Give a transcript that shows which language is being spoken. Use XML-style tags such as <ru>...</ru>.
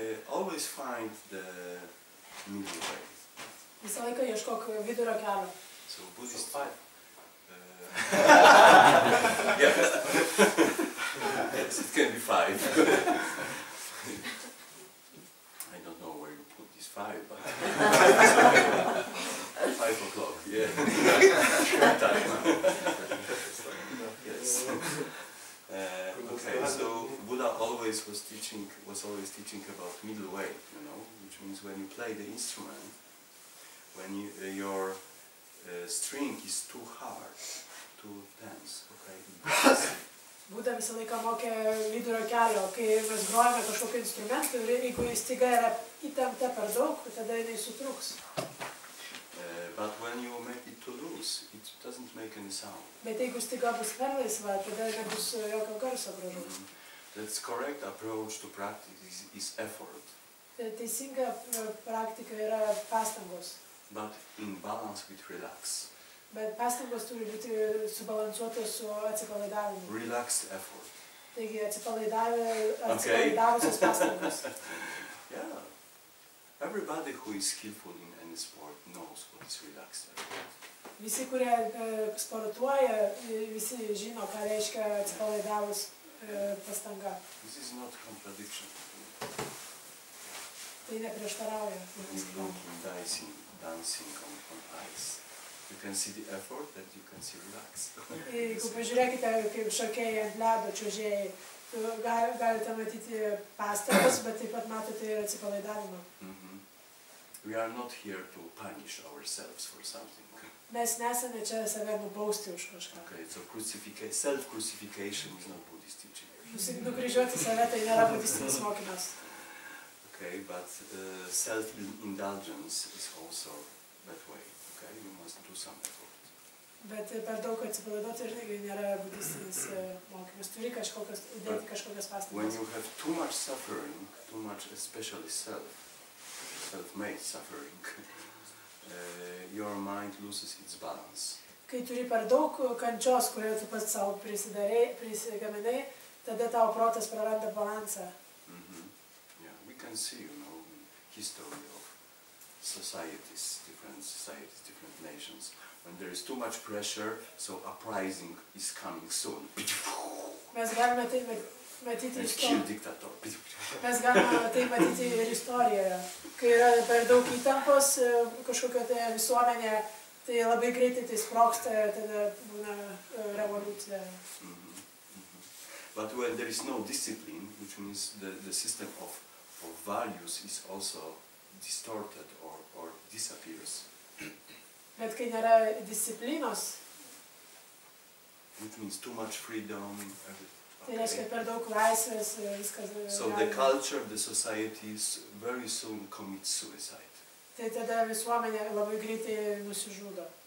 <en>Always find the middle way.</en> <lt>Visą laiką ieškok vidurio kelio.</lt> <en>So Buddhist five. Yes, it can be five. I don't know where you put this five, but 5 o'clock, yeah. Short time now. Yes. Okay, so Buddha was always teaching about middle way, you know, which means when you play the instrument, when you, your string is too hard, too tense, okay?</en> <lt>Buddha visą laiką mokė vidurio kelio, kai mes grojame kažkokį instrumentą, jeigu jis tiga yra įtempta per daug, tada jinai sutruks.</lt> <en>But when you make it too loose, it doesn't make any sound.</en> <lt>Bet jeigu stiga bus per laisva, tada nebus jokio garso gražu.</lt> <en>That's correct approach to practice is effort.</en> <lt>Teisinga praktika yra pastangos.</lt> <en>But in balance with relax.</en> <lt>Bet pastangos turi būti subalansuotos su atsipalaidavimu.</lt> <en>Relaxed effort.</en> <lt>Taigi atsipalaidavusios pastangos.</lt> <en>Yeah. Everybody who is skillful in any sport knows what is relaxed effort.</en> <lt>Visi, kurie sportuoja, visi žino, ką reiškia atsipalaidavus pastanga.</lt> <en>This is not contradiction.</en> <lt>Tai neprieštarauja.</lt> <en>In dicing, dancing on ice. You can see the effort that you can see relax.</en> <lt>Jeigu pažiūrėkite, kaip šokėjai ant ledo, čiuožėjai, galite matyti pastangas, bet taip pat matote ir atsipalaidavimą.</lt> <en>We are not here to punish ourselves for something.</en> <lt>Mes nesame čia save nubausti už kažką.</lt> <en>Okay, so self-crucification is not Buddhist teaching.</en> <lt>Nukryžiuoti save, tai nėra budistinis mokymas.</lt> <en>Okay, but self-indulgence is also that way. Okay, you must do some effort.</en> <lt>Bet per daug atsipalaiduoti irgi nėra budistinis mokymas. Turi kažkokios, įdėti kažkokios pastangos.</lt> <en>When you have too much suffering, too much especially self, self-made suffering, your mind loses its balance.</en> <lt>Kai turi per daug kančios, kurioje tu pats savo prisigaminai, tada tavo protas praranda balansą.</lt> <en>Yeah, we can see, you know, history of societies, different nations. When there is too much pressure, so uprising is coming soon.</en> <lt>Mes galime tai matyti iš to.</lt> <en>Kill dictator.</en> <lt>Mes galime tai matyti ir istorijoje. Kai yra per daug įtampos, kažkokio tai visuomenė Tai labai greitai tai sproksta ir tada būna revoliucija.</lt> <en>But when there is no discipline, which means the system of values is also distorted or disappears.</en> <lt>Bet kai nėra disciplinos.</lt> <en>Which means too much freedom.</en> <lt>Tai reiškia per daug laisvės ir viskas.</lt> <en>So the culture, the societies very soon commit suicide.</en> <lt>Tai tada visuomenė labai greitai nusižudo.</lt>